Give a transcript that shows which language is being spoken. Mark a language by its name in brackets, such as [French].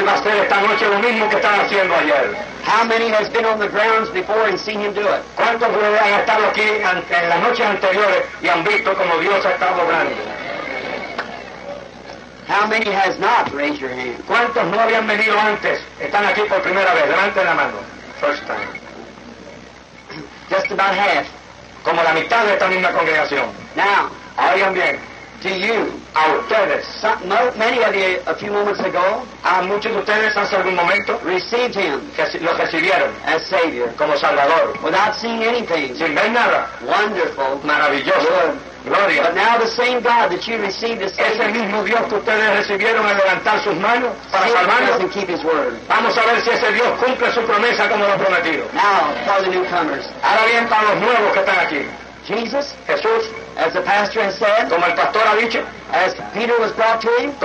[Spanish] Él va a hacer esta noche lo mismo que estaba haciendo ayer. [English] How many has been on the grounds before and seen him do it? [Spanish] ¿Cuántos han estado aquí en las noches anteriores y han visto como Dios ha estado obrando? [English] How many has not raised your hand? [Spanish] ¿Cuántos no habían venido antes? Están aquí por primera vez. Levanten la mano. [English] First time. Just about half. [Spanish] Como la mitad de esta misma congregación. [English] Now. [Spanish] Oigan bien. [English] To you. [Spanish] A ustedes. [English] Many of you a few moments ago. [Spanish] A muchos de ustedes hace algún momento. [English] Received him. [Spanish] Lo recibieron. [English] As Savior. [Spanish] Como Salvador. [English] Without seeing anything. [Spanish] Sin ver nada. [English] Wonderful. [Spanish] Maravilloso. [English] Good. [Spanish] Gloria. [English] But now the same God that you received as Savior. [Spanish] Ese mismo Dios que ustedes recibieron al levantar sus manos para salvarlos. [English] And keep his word. [Spanish] Vamos a ver si ese Dios cumple su promesa como lo ha prometido. [English] Now, for the newcomers. [Spanish] Ahora bien, para los nuevos que están aquí. [English] Jesus. [Spanish] Jesús. [English] As the pastor has said. [Spanish] Como el pastor ha dicho. [English] As Peter was brought to him.